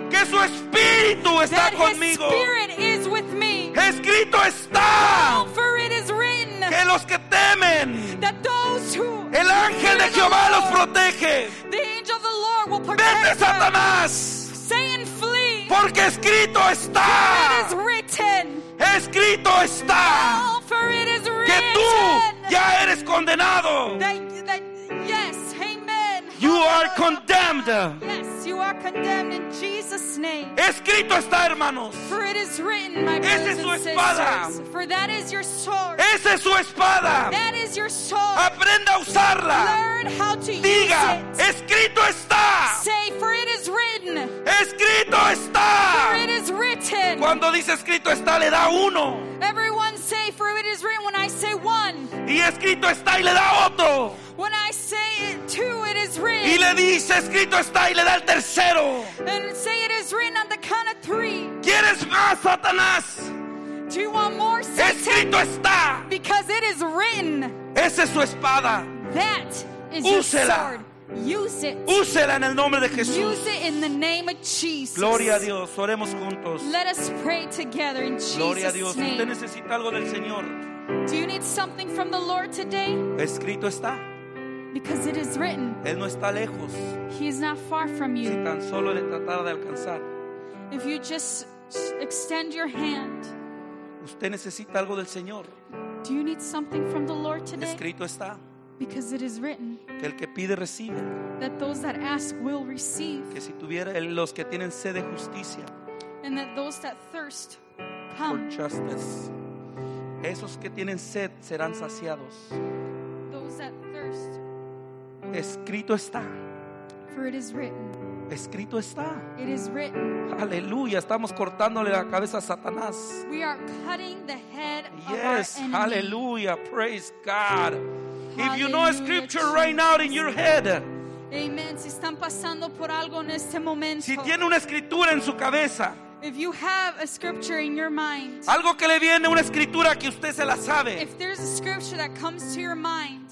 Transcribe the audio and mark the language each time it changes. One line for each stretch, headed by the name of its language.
Spanish: su espíritu está conmigo.
English: That his spirit is with me.
Spanish: Escrito está.
English: For it is written.
Spanish: Que los que temen.
English: That those who
Spanish: el ángel de Jehová los protege.
English: The angel of the Lord will protect them.
Spanish: Vete, Satanás.
English: Say and flee.
Spanish: Porque escrito está.
English: For it is written.
Spanish: Escrito está.
English: For it is written.
Spanish: Que tú ya eres condenado.
English: Yes, amen. You are condemned. Yes, you are condemned in Jesus' name.
Spanish: Escrito está, hermanos.
English: For it is written, my brothers and sisters.
Spanish: Esa es su espada.
English: For that is your sword.
Spanish: Esa es su espada.
English: That is your sword.
Spanish: Aprenda a usarla.
English: Learn how to use it.
Spanish: Diga, escrito está.
English: Say, for it is written.
Spanish: Escrito está.
English: For it is written.
Spanish: Cuando dice escrito está, le da uno.
English: Everyone say, for it is written, when I say one.
Spanish: Y escrito está y le da otro.
English: When I say it too, it is written.
Spanish: Y le dice, escrito está, y le da el tercero.
English: And say it is written on the count of three.
Spanish: ¿Quieres más, Satanás?
English: Do you want more, Satan?
Spanish: Escrito está.
English: Because it is written.
Spanish: Esa es su espada.
English: That is
Spanish: úsela.
English: Your sword. Use it.
Spanish: Úsela en el nombre de Jesús.
English: Use it in the name of Jesus.
Spanish: Gloria a Dios. Oremos juntos.
English: Let us pray together in Jesus' name.
Spanish: Gloria a Dios. ¿Usted necesita algo del Señor?
English: Do you need something from the Lord today?
Spanish: Escrito está.
English: Because it is written.
Spanish: Él no está lejos.
English: He is not far from you.
Spanish: Si tan solo le tratara de alcanzar.
English: If you just extend your hand.
Spanish: ¿Usted necesita algo del Señor?
English: Do you need something from the Lord today?
Spanish: Escrito está.
English: Because it is written.
Spanish: Que el que pide recibe.
English: That those that ask will receive.
Spanish: Que si tuviera los que tienen sed de justicia.
English: And that those that thirst come. For justice.
Spanish: Esos que tienen sed serán saciados.
English: Those that thirst.
Spanish: Escrito está.
English: For it is written.
Spanish: Escrito está.
English: It is written.
Spanish: Aleluya, estamos cortándole la cabeza a Satanás.
English: We are cutting the head of our enemy. Yes, aleluya, praise God. If you know a scripture right now in your head. Amen.
Spanish: Si están pasando por algo en este momento. Si tiene una escritura en su cabeza.
English: If you have a scripture in your mind.
Spanish: Algo que le viene, una escritura que usted se la sabe.
English: If there's a scripture that comes to your mind.